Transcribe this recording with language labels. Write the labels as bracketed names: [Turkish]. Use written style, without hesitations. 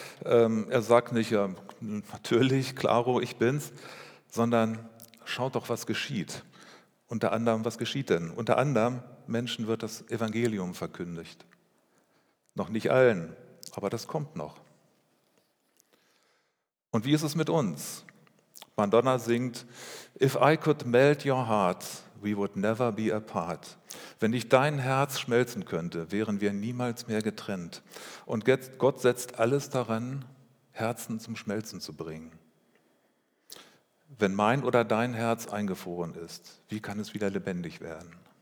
[German] Er sagt nicht, ja, natürlich, klaro, ich bin's, sondern schaut doch, was geschieht. Unter anderem, was geschieht denn? Unter anderem, Menschen wird das Evangelium verkündigt. Noch nicht allen, aber das kommt noch. Und wie ist es mit uns? Madonna singt, [English] if I could melt your heart, we would never be apart. [German] Wenn ich dein Herz schmelzen könnte, wären wir niemals mehr getrennt. Und Gott setzt alles daran, Herzen zum Schmelzen zu bringen. Wenn mein oder dein Herz eingefroren ist, wie kann es wieder lebendig werden?